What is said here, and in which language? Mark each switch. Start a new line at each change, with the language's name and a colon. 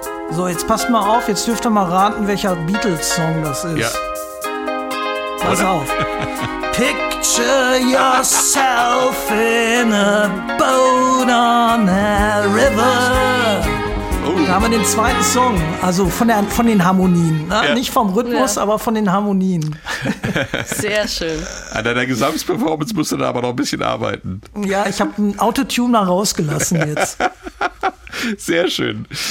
German: So, jetzt passt mal auf, jetzt dürft ihr mal raten, welcher Beatles-Song das ist. Ja. Pass auf.
English: Picture yourself in a boat on a river. Oh.
German: Da haben wir den zweiten Song, also von den Harmonien. Ne? Ja. Nicht vom Rhythmus, aber von den Harmonien. Sehr schön. An deiner Gesamtsperformance musst du da aber noch ein bisschen arbeiten. Ja, ich habe einen Autotuner rausgelassen jetzt. Sehr schön.